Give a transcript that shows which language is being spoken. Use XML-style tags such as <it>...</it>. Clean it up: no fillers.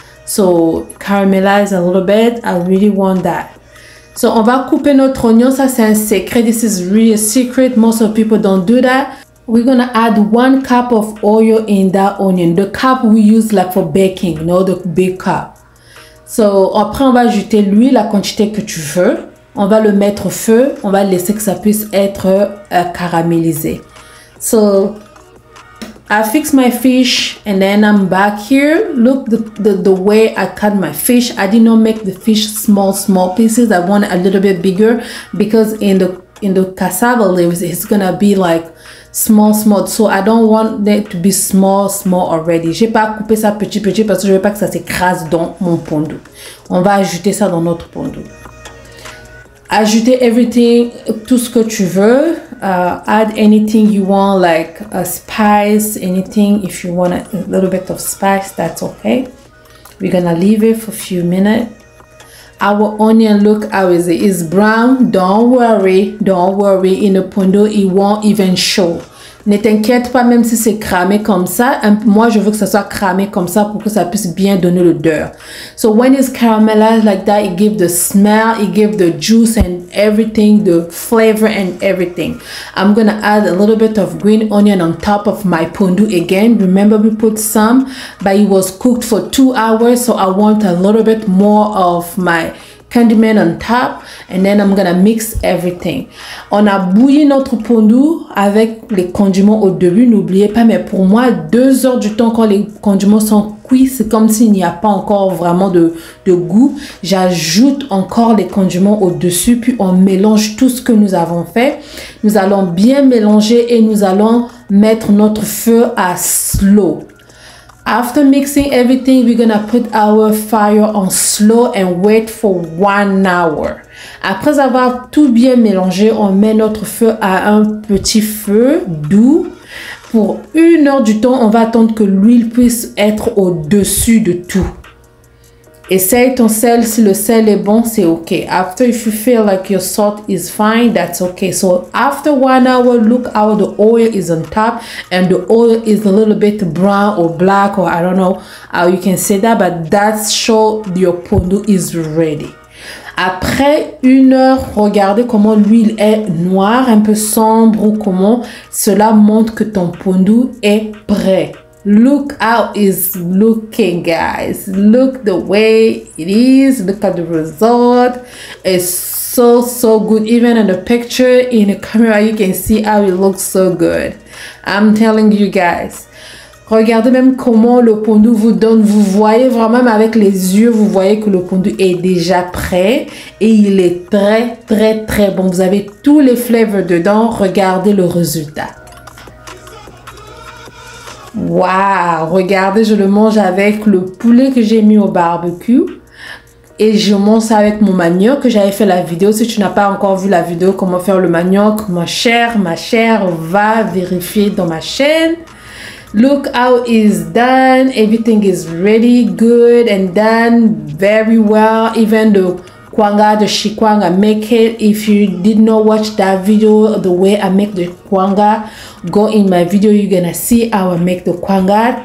<en>So caramelize a little bit. I really want that.</en> <fr>So on va couper notre oignon. Ça c'est un secret.</fr> <en>This is really a secret. Most of people don't do that. We're gonna add 1 cup of oil in that onion. The cup we use like for baking, you know, the big cup.</en> <fr>So après on va ajouter l'huile, la quantité que tu veux. On va le mettre au feu. On va laisser que ça puisse être caramélisé.</fr> <en>So I fix my fish and then I'm back here. Look the way I cut my fish. I did not make the fish small pieces. I want it a little bit bigger because in the cassava leaves it's gonna be like small. So I don't want it to be small already.</en> <fr>J'ai pas coupé ça petit parce que je veux pas que ça s'écrase dans mon pondu. On va ajouter ça dans notre pondu. Ajouter everything, tout ce que tu veux.</fr> <en>Add anything you want, like a spice, anything. If you want a little bit of spice, that's okay. We're gonna leave it for a few minutes. Our onion, look how is it? It's brown. Don't worry. In the pondu, it won't even show.</en> <fr>Ne t'inquiète pas, même si c'est cramé comme ça. Moi, je veux que ça soit cramé comme ça pour que ça puisse bien donner l'odeur.</fr> <en>So when it's caramelized like that, it gives the smell, it gives the juice and everything, the flavor and everything. I'm gonna add a little bit of green onion on top of my pondu again. Remember, we put some, but it was cooked for 2 hours, so I want a little bit more of my condiment on top, and then I'm gonna mix everything.</en> <fr>On a bouilli notre pondu avec les condiments au début, n'oubliez pas, mais pour moi, 2 heures du temps quand les condiments sont cuits, c'est comme s'il n'y a pas encore vraiment de goût. J'ajoute encore les condiments au-dessus, puis on mélange tout ce que nous avons fait. Nous allons bien mélanger et nous allons mettre notre feu à slow.</fr> <en>After mixing everything, we're gonna put our fire on slow and wait for 1 hour.</en> <fr>Après avoir tout bien mélangé, on met notre feu à un petit feu doux. Pour 1 heure du temps, on va attendre que l'huile puisse être au-dessus de tout. Essaye ton sel, si le sel est bon, c'est ok.</fr> <en>After, if you feel like your salt is fine, that's okay. So after 1 hour, look how the oil is on top and the oil is a little bit brown or black, or I don't know how you can say that, but that shows your pondu is ready.</en> <fr>Après 1 heure, regardez comment l'huile est noire, un peu sombre ou comment. Cela montre que ton pondu est prêt.</fr> <en>Look how it's looking, guys. Look the way it is. Look at the result. It's so good. Even in the picture, in the camera, you can see how it looks so good. I'm telling you guys.</en> <fr>Regardez même comment le pondu vous donne. Vous voyez vraiment avec les yeux, vous voyez que le pondu est déjà prêt. Et il est très bon. Vous avez tous les flavors dedans. Regardez le résultat. Wow, regardez, je le mange avec le poulet que j'ai mis au barbecue et je mange ça avec mon manioc que j'avais fait la vidéo. Si tu n'as pas encore vu la vidéo comment faire le manioc, ma chère, va vérifier dans ma chaîne.</fr> <en>Look how it's done, everything is really good and done very well, even the kwanga, the shikwanga, make it. If you did not watch that video, the way I make the kwanga, go in my video, you're gonna see how I make the kwanga.</en>